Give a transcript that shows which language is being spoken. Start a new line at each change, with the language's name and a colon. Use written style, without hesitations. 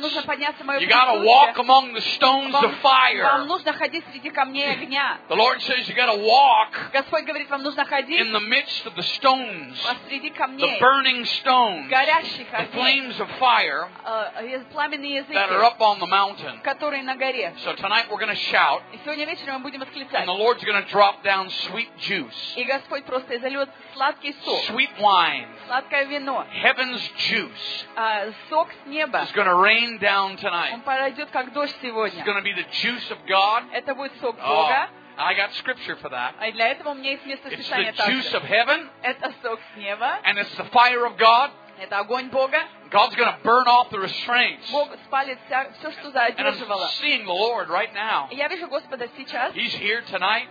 English: You gotta walk among the stones of fire.
Russian: Вам нужно ходить среди камней огня.
English: The Lord says you gotta walk.
Russian: Господь говорит, вам нужно ходить.
English: In the midst of the stones.
Russian: Посреди камней.
English: The burning stones.
Russian: Горящих огней.
English: The flames of fire.
Russian: Пламенные языки.
English: That are up on the mountain.
Russian: Которые на горе.
English: So tonight we're gonna shout.
Russian: И сегодня вечером мы будем восклицать.
English: And the Lord's gonna drop down sweet juice.
Russian: И Господь просто изольет сладкий сок.
English: Sweet wine.
Russian: Сладкое вино.
English: Heaven's juice.
Russian: Сок с неба.
English: It's going to rain down tonight. It's going to be the juice of God.
Russian: Это будет сок Бога.
English: I got scripture for that.
Russian: А для этого у меня есть место
English: Писания также. It's the juice of heaven.
Russian: Это сок с неба.
English: And it's the fire of God.
Russian: Это огонь Бога.
English: God's going to burn off the restraints.
Russian: Бог спалит все, что задерживало.
English: And I'm seeing the Lord right now.
Russian: Я вижу Господа сейчас.
English: He's here tonight.